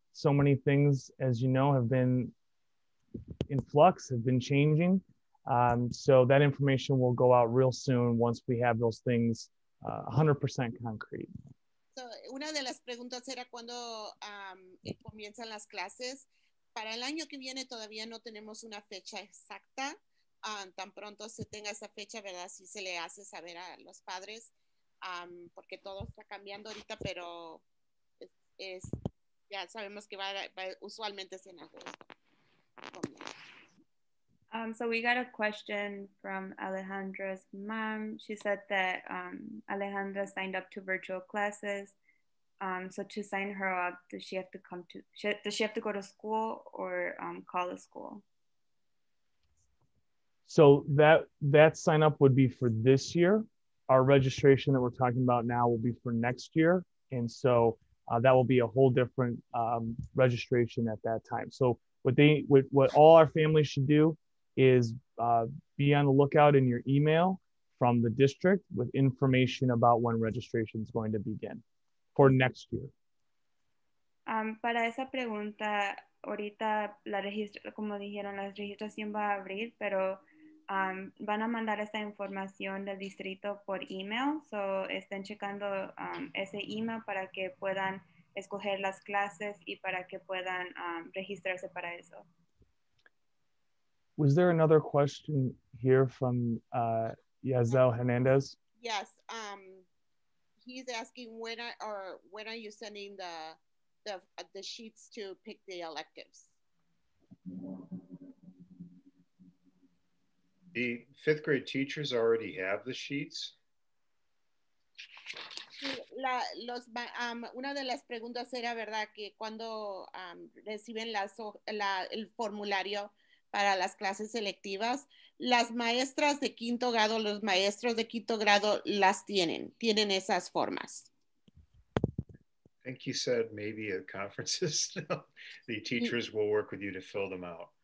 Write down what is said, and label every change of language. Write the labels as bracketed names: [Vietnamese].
[English] So many things, as you know, have been in flux, have been changing. So that information will go out real soon once we have those things 100% concrete. [Spanish] So una de las preguntas era cuando comienzan las clases. Para el año que viene todavía no tenemos una fecha exacta. Tan pronto se tenga esa fecha, ¿verdad? Si se le hace saber a los padres, porque todo está cambiando ahorita, pero es ya sabemos que va usualmente es en agosto. [English] So we got a question from Alejandra's mom. She said that Alejandra signed up to virtual classes. So to sign her up, does she have to go to school or call a school? So that sign up would be for this year. Our registration that we're talking about now will be for next year. And so that will be a whole different registration at that time. So what all our families should do is be on the lookout in your email from the district with information about when registration is going to begin for next year. [Spanish] Para esa pregunta, ahorita la registra, como dijeron, la registración va a abrir, pero van a mandar esta información del distrito por email. So estén checando ese email para que puedan escoger las clases y para que puedan registrarse para eso. [English] Was there another question here from Yazel Hernandez? Yes, he's asking when are you sending the the sheets to pick the electives. The fifth grade teachers already have the sheets. [Spanish] La, los, una de las preguntas era, ¿verdad?, que cuando reciben el formulario para las clases selectivas, las maestras de quinto grado, los maestros de quinto grado las tienen, tienen esas formas. [English] I think you said maybe at conferences, the teachers will work with you to fill them out.